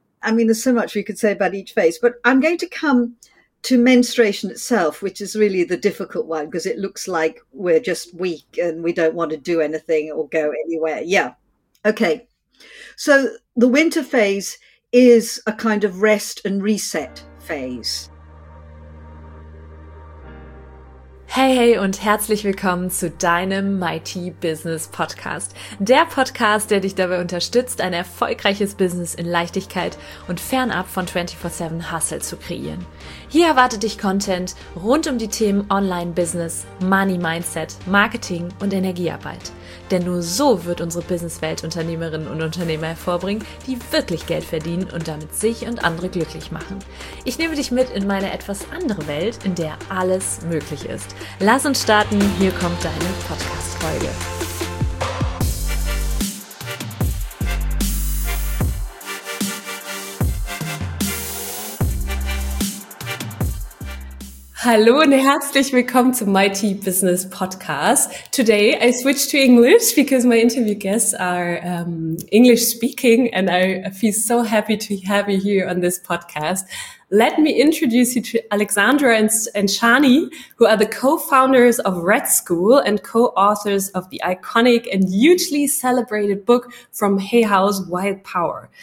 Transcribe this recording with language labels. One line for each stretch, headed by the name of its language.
English: I mean, there's so much we could say about each phase, but I'm going to come to menstruation itself, which is really the difficult one because it looks like we're just weak and we don't want to do anything or go anywhere. Yeah. Okay. So the winter phase is a kind of rest and reset phase.
German: Hey, hey und herzlich willkommen zu deinem Mighty Business Podcast. Der Podcast, der dich dabei unterstützt, ein erfolgreiches Business in Leichtigkeit und fernab von 24/7 Hustle zu kreieren. Hier erwartet dich Content rund um die Themen Online-Business, Money-Mindset, Marketing und Energiearbeit. Denn nur so wird unsere Businesswelt Unternehmerinnen und Unternehmer hervorbringen, die wirklich Geld verdienen und damit sich und andere glücklich machen. Ich nehme dich mit in meine etwas andere Welt, in der alles möglich ist. Lass uns starten, hier kommt deine Podcast-Folge. Hallo und herzlich willkommen zum Mighty Business Podcast.
English: Today I switched to English because my interview guests are English speaking and I feel so happy to have you here on this podcast. Let me introduce you to Alexandra and Shani, who are the co-founders of Red School and co-authors of the iconic and hugely celebrated book from Hay House, Wild Power.